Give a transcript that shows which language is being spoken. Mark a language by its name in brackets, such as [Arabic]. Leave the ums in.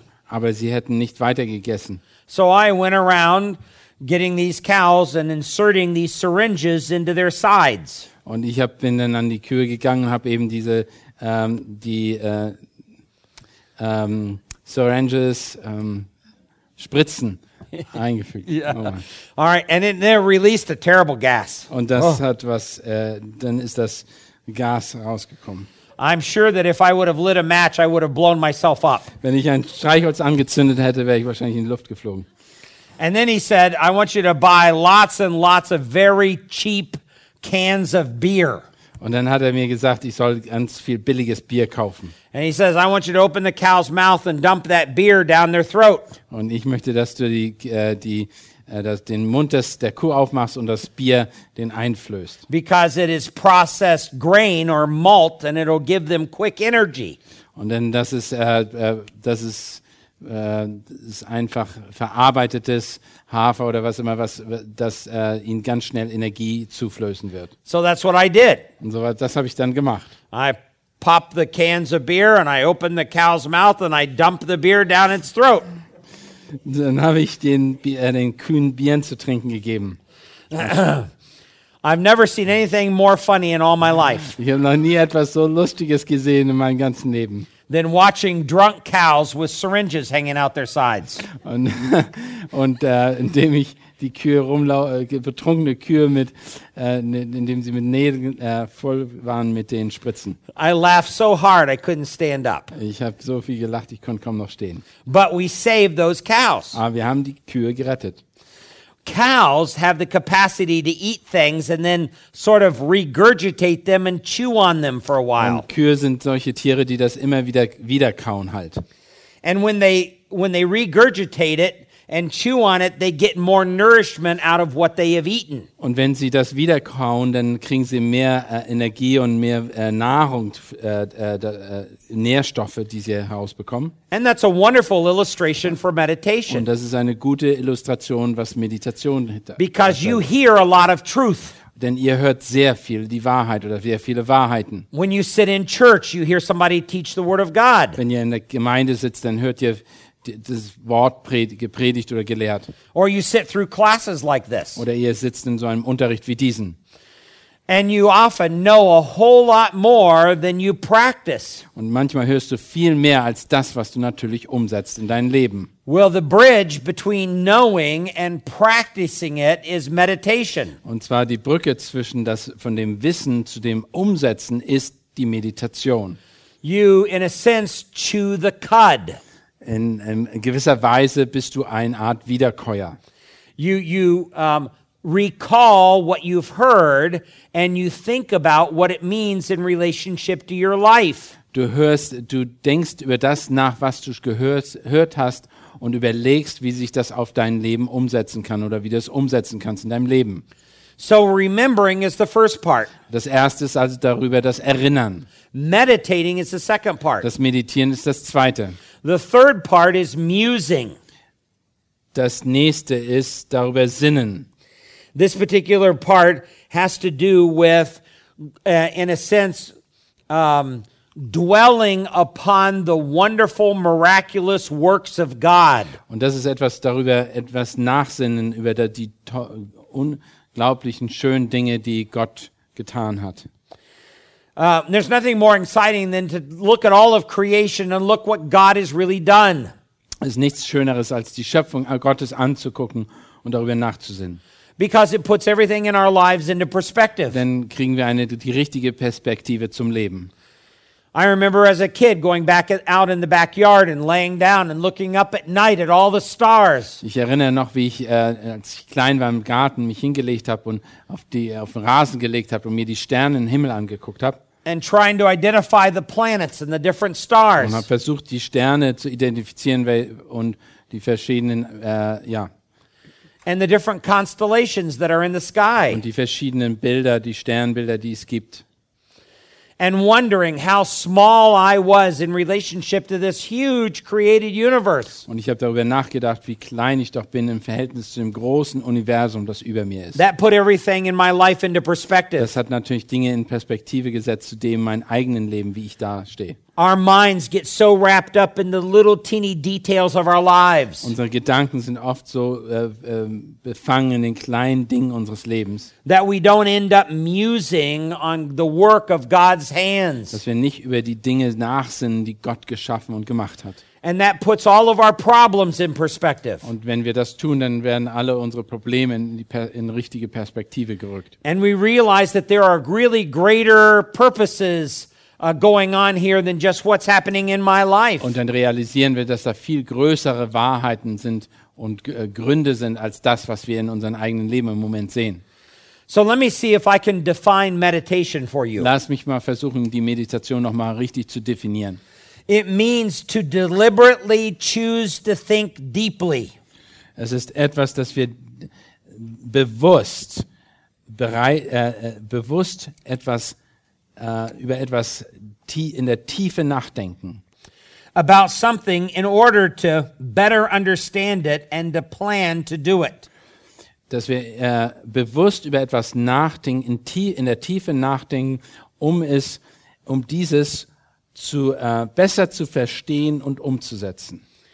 [German] Aber sie hätten nicht weiter gegessen. So Und ich bin dann an die Kühe gegangen, habe eben diese ähm, die äh, ähm, syringes ähm, Spritzen eingefügt. [English] yeah. Oh All right, and it released a terrible gas. [German] Und das oh. hat was? Äh, dann ist das [English] I'm sure that if I would have lit a match, I would have blown myself up. [German] Wenn ich ein Streichholz angezündet hätte, wäre ich wahrscheinlich in die Luft geflogen. [English] And then he said, I want you to buy lots and lots of very cheap cans of beer. [German] Und dann hat er mir gesagt, ich soll ganz viel billiges Bier kaufen. [English] And he says, I want you to open the cow's mouth and dump that beer down their throat. [German] Und ich möchte, dass du die die dass den Mund des, der Kuh aufmachst und das Bier den einflößt. [English] Because it is processed grain or malt and it'll give them quick energy. [German] Und denn das ist äh, das ist äh, das ist einfach verarbeitetes Hafer oder was immer was das äh, ihnen ganz schnell Energie zuflößen wird. [English] So that's what I did. [German] Und so das habe ich dann gemacht. [English] I popped the cans of beer and I opened the cow's mouth and I dumped the beer down its throat. [German] Dann habe ich den, äh, den zu trinken gegeben. [English] I've never seen anything more funny in all my life. [German] Ich habe noch nie etwas so Lustiges gesehen in meinem ganzen Leben. [English] Than watching drunk cows with syringes hanging out their sides. [German] Und, und indem ich die Kühe rumlaufen, äh, betrunkene Kühe mit, äh, indem sie mit Nägeln äh, voll waren mit den Spritzen. [English] I laughed so hard I couldn't stand up. [German] Ich habe so viel gelacht, ich konnte kaum noch stehen. [English] But we saved those cows. [German] Aber wir haben die Kühe gerettet. [English] Cows have the capacity to eat things and then sort of regurgitate them and chew on them for a while. [German] Kühe sind solche Tiere, die das immer wieder wieder kauen halt. [English] And when they when they regurgitate it, and chew on it, they get more nourishment out of what they have eaten. [German] Und wenn sie das wieder kauen, dann kriegen sie mehr äh, Energie und mehr äh, Nahrung, äh, äh, Nährstoffe, die sie herausbekommen. [English] And that's a wonderful illustration for meditation. [German] Und das ist eine gute Illustration, was Meditation hat. [English] Because you hear a lot of truth. [German] Denn ihr hört sehr viel die Wahrheit oder sehr viele Wahrheiten. [English] When you sit in church, you hear somebody teach the word of God. [German] Wenn ihr in der Gemeinde sitzt, dann hört ihr das Wort gepredigt oder gelehrt. [English] Like [German] oder ihr sitzt in so einem Unterricht wie diesen. Und manchmal hörst du viel mehr als das, was du natürlich umsetzt in deinem Leben. [English] Well, the bridge between knowing and practicing it is meditation. [German] Und zwar die Brücke zwischen das von dem Wissen zu dem Umsetzen ist die Meditation. [English] You, in a sense, chew the cud. [German] In, in, gewisser Weise bist du eine Art Wiederkäuer. Du, [English] you, you um, recall what you've heard and you think about what it means in relationship to your life. [German] Du hörst, du denkst über das nach, was du gehört hast und überlegst, wie sich das auf dein Leben umsetzen kann oder wie du es umsetzen kannst in deinem Leben. [English] So remembering is the first part. [German] Das erste ist also darüber das erinnern. [English] Meditating is the second part. [German] Das meditieren ist das zweite. [English] The third part is musing. [German] Das nächste ist darüber sinnen. [English] This particular part has to do with uh, in a sense um, dwelling upon the wonderful miraculous works of God. [German] Und das ist etwas darüber etwas nachsinnen über die to Un unglaublichen schönen Dinge, die Gott getan hat. Uh, really es ist nichts Schöneres, als die Schöpfung Gottes anzugucken und darüber nachzusinnen. Denn [English] it puts everything in our lives into [German] kriegen wir eine die richtige Perspektive zum Leben. I [English] remember as a kid going back out in the backyard and laying down and looking up at night at all the stars. [German] Ich erinnere noch, wie ich äh, als ich klein war Garten mich hingelegt habe und auf, die, auf den Rasen gelegt habe und mir die Sterne im Himmel angeguckt habe. [English] And trying to identify the planets and the different stars. [German] Und habe versucht, die Sterne zu identifizieren und die verschiedenen äh, ja. [English] And the different constellations that are in the sky. [German] Und die verschiedenen Bilder, die Sternbilder, die es gibt [English] and wondering how small I was in relationship to this huge created universe. [German] Und ich habe darüber nachgedacht, wie klein ich doch bin im Verhältnis zu dem großen Universum, das über mir ist. [English] That put everything in my life into perspective. [German] Das hat natürlich Dinge in Perspektive gesetzt zu dem mein eigenen Leben, wie ich da stehe. [English] Our minds get so wrapped up in the little teeny details of our lives. So, äh, äh, that we don't end up musing on the work of God's hands. [German] Dass wir [English] not over the things [German] nachsinnen, die Gott geschaffen und gemacht hat. [English] And that puts all of our problems in perspective. And when we do that, then all of our problems are put in, in [German] richtige Perspektive gerückt. [English] And we realize that there are really greater purposes. Uh, [German] und dann realisieren wir, dass da viel größere Wahrheiten sind und äh, Gründe sind als das, was wir in unserem eigenen Leben im Moment sehen. [English] So let me see if I can define meditation for you. [German] Lass mich mal versuchen, die Meditation noch mal richtig zu definieren. [English] It means to deliberately choose to think deeply. [German] Es ist etwas, das wir bewusst bereit äh, bewusst etwas Uh, über etwas in der Tiefe nachdenken. To to Dass wir uh, bewusst über etwas nachdenken, in, in, der Tiefe nachdenken, um es, um dieses zu uh, besser zu verstehen und umzusetzen.